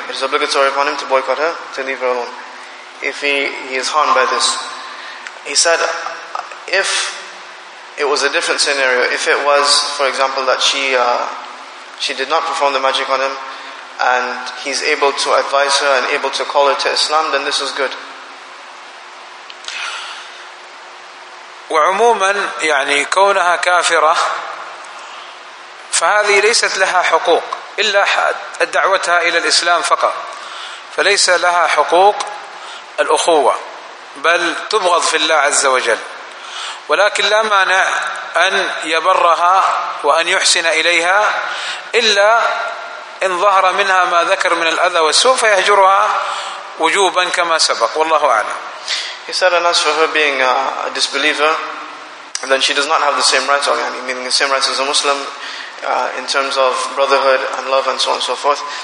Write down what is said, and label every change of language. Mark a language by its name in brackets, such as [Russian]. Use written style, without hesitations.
[English] It is obligatory upon him to boycott her, to leave her alone if he is harmed by this. He said if it was a different scenario, if it was for example that she did not perform the magic on him and he's able to advise her and able to call her to Islam, then this is good. [Arabic] وعموما يعني كونها كافرة فهذه ليست لها حقوق إلا دعوتها إلى الإسلام فقط، فليس لها حقوق الأخوة بل تبغض في الله عز وجل، ولكن لا مانع أن يبرها وأن يحسن إليها إلا إن ظهر منها ما ذكر من الأذى والسوء فيهجرها وجوبا كما سبق والله أعلم. [English] He said, and as for her being a disbeliever, then she does not have the same rights, meaning the same rights as a Muslim in terms of brotherhood and love and so on and so forth.